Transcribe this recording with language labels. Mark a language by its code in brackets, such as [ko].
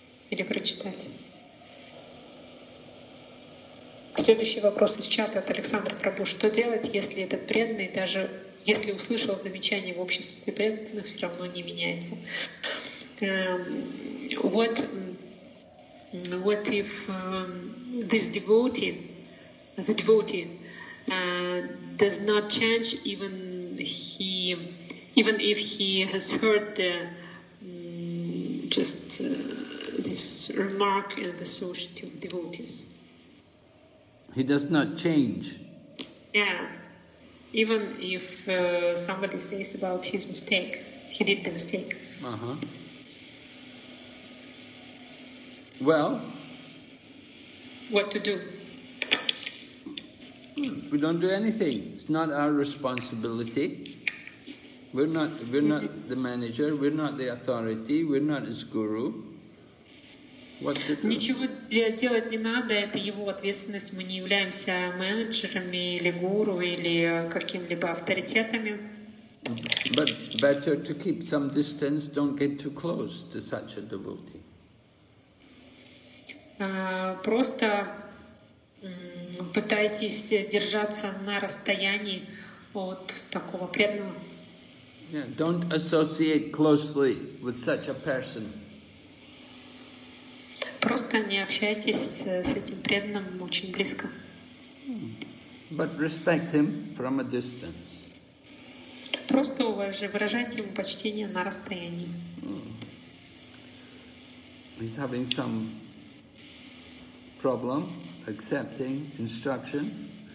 [ru] Или прочитайте? Следующий вопрос из чата от Александра Прабу. Что делать, если этот преданный, даже если услышал замечание в обществе преданных, все равно не меняется? [en] What if the devotee does not change even if he has heard this remark in the society of devotees? He does not change. Yeah. Even if somebody says about his mistake, he did the mistake. Uh-huh. Well, what to do? We don't do anything. It's not our responsibility. We're not the manager, we're not the authority, we're not his guru. [ru] Ничего делать не надо, это его ответственность. Мы не являемся менеджерами или гуру или каким-либо авторитетами. [en] But better to keep some distance, don't get too close to such a devotee. [ru] Просто пытайтесь держаться на расстоянии от такого преданного. [en] Yeah, don't associate closely with such a person. [ru] Просто не общайтесь с этим преданным очень близко. [en] But respect him from a distance. [ru] Просто выражайте ему почтение на расстоянии. [en] He's having some problem accepting instruction.